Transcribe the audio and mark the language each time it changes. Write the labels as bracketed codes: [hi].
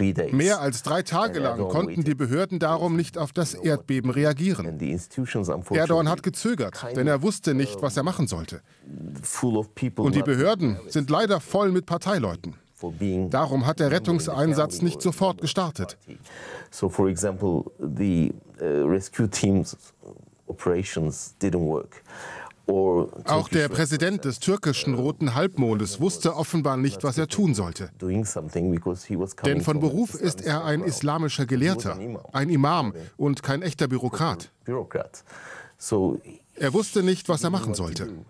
[de] Mehr als 3 Tage lang konnten die Behörden darum nicht auf das Erdbeben reagieren. Erdogan hat gezögert, denn er wusste nicht, was er machen sollte. Und die Behörden sind leider voll mit Parteileuten. Darum hat der Rettungseinsatz nicht sofort gestartet. [en] So, for example, the rescue team's operations didn't work. [de] Auch der Präsident des türkischen Roten Halbmondes wusste offenbar nicht, was er tun sollte. Denn von Beruf ist er ein islamischer Gelehrter, ein Imam und kein echter Bürokrat. Er wusste nicht, was er machen sollte.